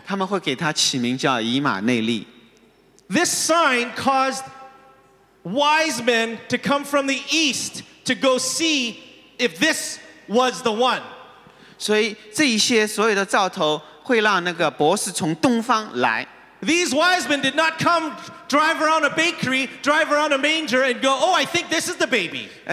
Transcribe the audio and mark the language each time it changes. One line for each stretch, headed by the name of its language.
Chinese: 他们会给他起名叫以马内利.
English: This sign caused wise men to come from the east to go see if this was the one.
Chinese: 所以这一些所有的兆头会让那个博士从东方来.
English: These wise men did not come drive around a bakery, drive around a manger, and go, oh, I think this is the baby.